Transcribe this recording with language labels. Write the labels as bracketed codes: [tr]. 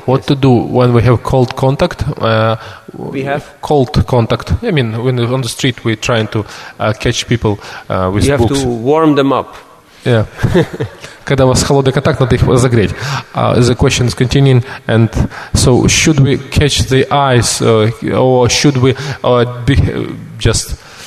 [en] What to do when we have cold contact? We have cold contact. I mean, when on the street we're trying to catch people with You have to warm them up. Yeah. [ru] Когда у вас холодный контакт, надо их разогреть. [en] The question is continuing, and so should we catch the eyes or should we be just?